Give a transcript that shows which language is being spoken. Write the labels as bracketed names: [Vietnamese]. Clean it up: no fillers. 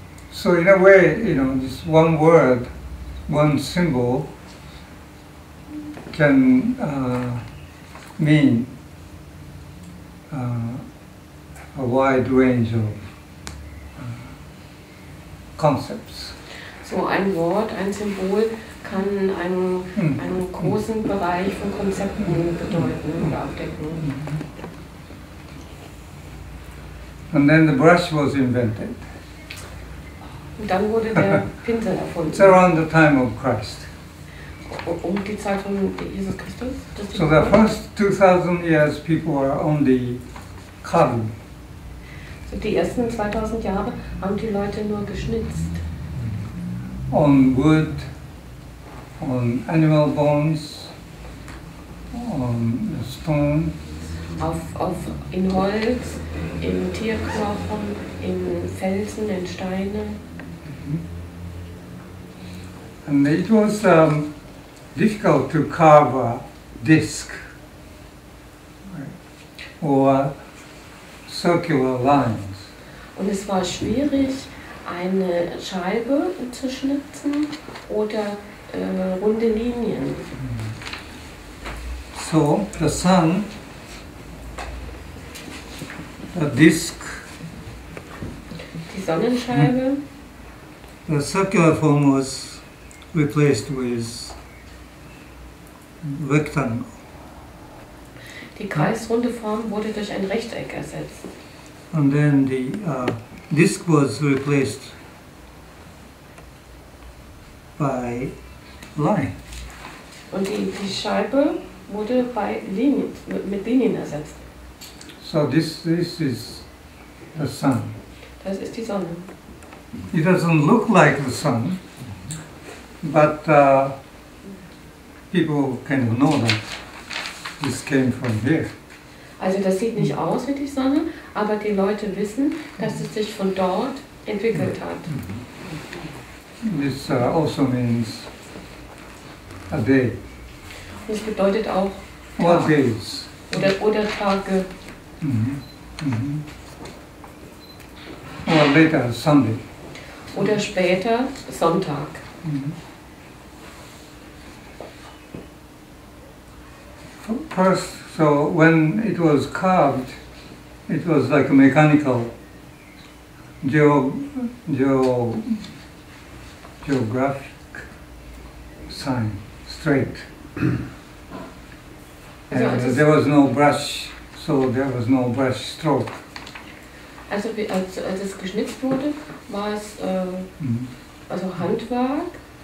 [English] So in a way, you know, this one word, one symbol can mean a wide range of concepts. [German] So ein Wort, ein Symbol kann einen großen Bereich von Konzepten bedeuten und abdecken. [English] Mm-hmm. And then the brush was invented. [German] Und dann wurde der Pinsel erfunden. [English] It's around the time of Christ. [German] Um die Zeit von Jesus Christus? [English] So the first 2000 years people were on the carving. [German] So die ersten 2000 Jahre haben die Leute nur geschnitzt. [English] On wood, on animal bones, on stone. [German] Auf in Holz, in Tierknochen, in Felsen, in Steine. [English] And it was difficult to carve a disc, right, or circular lines. [German] Und es war schwierig, eine Scheibe zu schnitzen oder runde Linien. [English] So the sun, the disc, [German] die Sonnenscheibe, [English] the circular form was replaced with rectangle. [German] Die kreisrunde Form wurde durch ein Rechteck ersetzt. [English] And then the disc was replaced by line. [German] Und die Scheibe wurde bei Linien, mit Linien ersetzt. [English] So this is the sun. [German] Das ist die Sonne. [English] It doesn't look like the sun, but people kind of know that this came from here. [German] Also das sieht nicht aus wie die Sonne, aber die Leute wissen, dass es sich von dort entwickelt hat. [English] This also means a day. [German] Das bedeutet auch [English] Tag. What days? [German] Oder Tage. [English] Mm-hmm. Or later, Sunday. [German] Oder später Sonntag. Mm-hmm. [English] First, so when it was carved, it was like a mechanical geographic sign, straight. And there was no brush, so there was no brush stroke. [German] Also als es geschnitzt wurde, war es also Handwerk.